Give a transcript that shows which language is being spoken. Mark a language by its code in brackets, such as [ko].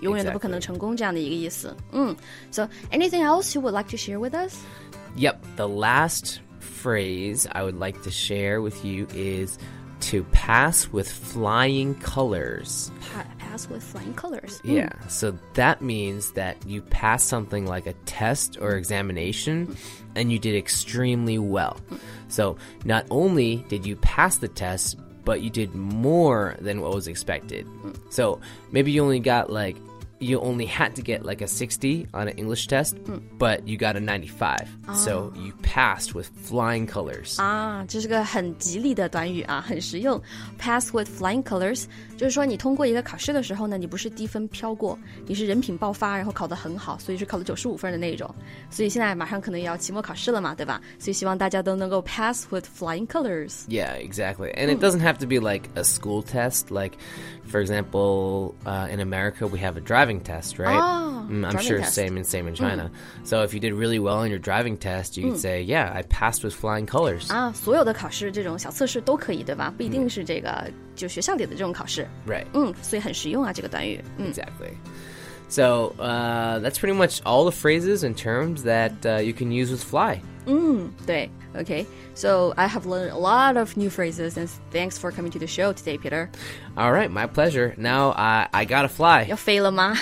[zh] 永远都不可能成功这样的一个意思。 [en] So anything else you would like to share with us? Yep. The last phrase I would like to share with you is,To pass with flying colors. Pass with flying colors. Yeah. So that means that you pass something like a test or examination and you did extremely well. So not only did you pass the test, but you did more than what was expected. So maybe you only got like, you only had to get like a 60 on an English test, but you got a 95. So you passed with flying colors. [zh] 这是个很吉利的短语啊，很实用。 [en] Pass with flying colors, [zh] 就是说你通过一个考试的时候呢，你不是低分飘过，你是人品爆发，然后考得很好，所以是考了95分的那种。所以现在马上可能要期末考试了嘛，对吧？所以希望大家都能够 [en] pass with flying colors. Yeah, exactly. And it doesn't have to be like a school test, like For example, in America, we have a driving test, right? I'm sure same in China. So if you did really well on your driving test, you could say, yeah, I passed with flying colors. [zh] 所有的考试这种小测试都可以，对吧？不一定是这个，就学校里的这种考试。 [en] Right. [zh] 所以很实用啊，这个短语。 [en] Exactly. So that's pretty much all the phrases and terms that you can use with fly. [zh] 对。 [en] Okay, so I have learned a lot of new phrases, and thanks for coming to the show today, Peter. All right, my pleasure. Now I gotta fly. [zh] 要飞了吗?